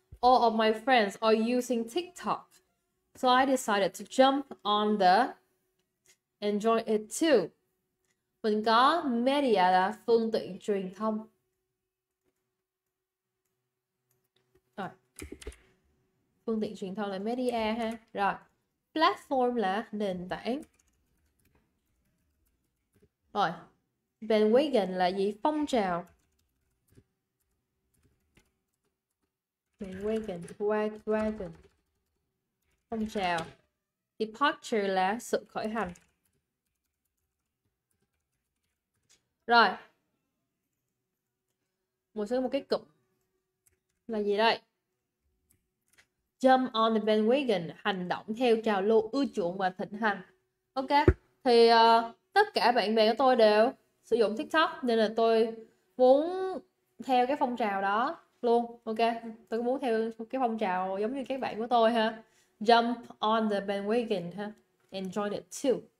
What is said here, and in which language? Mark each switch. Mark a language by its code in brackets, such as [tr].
[en] All of my friends are using TikTok, so I decided to jump on the and join it too. [vi] Mình có media là phương tiện truyền thông. Rồi. Phương tiện truyền thông là media ha. Rồi. Platform là nền tảng. Rồi. Bandwagon là gì? Phong trào. Bandwagon. Wagon. Phong trào. Departure là sự khởi hành. Rồi. Một số một cái cụm là gì đây? [en] Jump on the bandwagon, [vi] hành động theo trào lưu ưa chuộng và thịnh hành. Ok, thì tất cả bạn bè của tôi đều sử dụng TikTok nên là tôi muốn theo cái phong trào đó luôn. Ok, tôi muốn theo cái phong trào giống như các bạn của tôi ha. [en] Jump on the bandwagon ha, and join it too.